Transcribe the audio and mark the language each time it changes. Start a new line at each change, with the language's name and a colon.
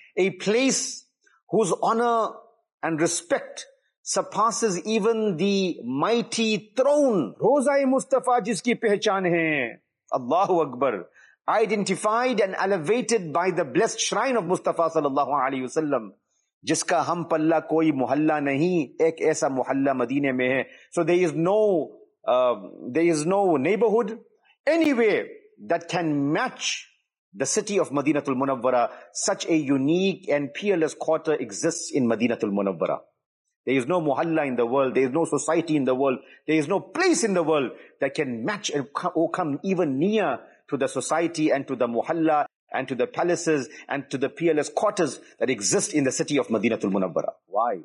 English: A place whose honor and respect surpasses even the mighty throne.
Urdu: Roza-e Mustafa jiski pehchan hai.
Arabic: Allahu Akbar.
English: Identified and elevated by the blessed shrine of Mustafa sallallahu alayhi wa sallam.
Urdu: جس کا ہم پلہ کوئی محلہ نہیں, ایک ایسا محلہ مدینے میں ہے.
English: So there is no neighbourhood any way that can match the city of Madinah Munawwarah. Such a unique and peerless quarter exist in Madinah Munawwarah. There is no muhalla in the world, there is no society in the world, there is no place in the world that can match or come even near to the society and to the muhalla and to the palaces and to the PLS quarters that exist in the city of Madinatul Munawwara. Why?